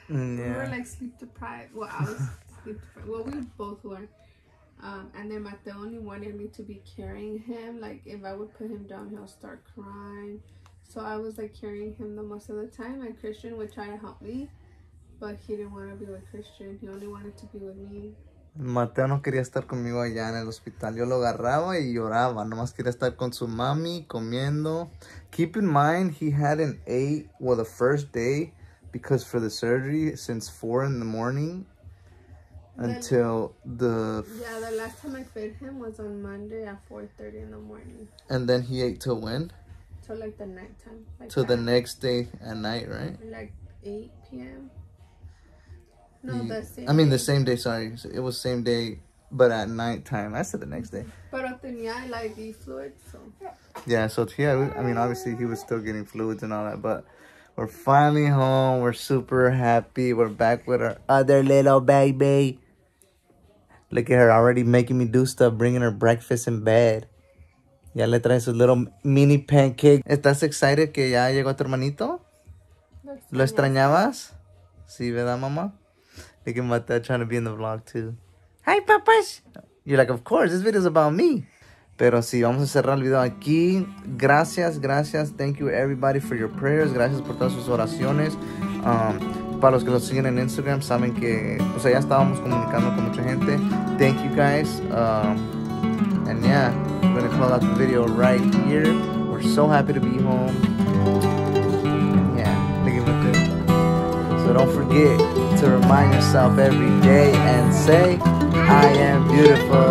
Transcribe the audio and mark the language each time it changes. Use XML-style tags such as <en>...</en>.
<en>We were like sleep deprived. Well, I was sleep deprived. Well, we both were. And then Mateo only wanted me to be carrying him. Like if I would put him down, he'll start crying. So I was like carrying him the most of the time. And Christian would try to help me. But he didn't want to be with Christian. He only wanted to be with me.</en> <es>Mateo no quería estar conmigo allá en el hospital. Yo lo agarraba y lloraba. Nomás quería estar con su mami comiendo.</es> <en>Keep in mind, he hadn't ate, well, the first day, because for the surgery, since 4 in the morning until the last time I fed him was on Monday at 4:30 in the morning. And then he ate till when? Till like the night time. Like till the next day at night, right? Like 8 p.m. No, the same I mean, day. The same day, sorry. It was same day, but at night time. I said the next day.</en> <es>Pero tenía</es> <en>IV fluid, so. Yeah, so, yeah, I mean, obviously, he was still getting fluids and all that, but we're finally home. We're super happy. We're back with our other little baby. Look at her already making me do stuff, bringing her breakfast in bed.</en> <es>Ya le trae su</es> <en>little mini pancake.</en> <es>¿Estás excited que ya llegó tu hermanito? ¿Lo extrañabas? Sí, ¿verdad, mamá?</es> <en>Thinking about that, trying to be in the vlog too. Hi, papas. You're like, of course, this video is about me.</en> <es>Pero sí, vamos a cerrar el video aquí. Gracias, gracias.</es> <en>Thank you, everybody, for your prayers.</en> <es>Gracias por todas sus oraciones. Para los que nos siguen en Instagram, saben que, o sea, ya estábamos comunicando con mucha gente.</es> <en>Thank you, guys. And yeah, I'm going to close out the video right here. We're so happy to be home. So don't forget to remind yourself every day and say, I am beautiful.</en>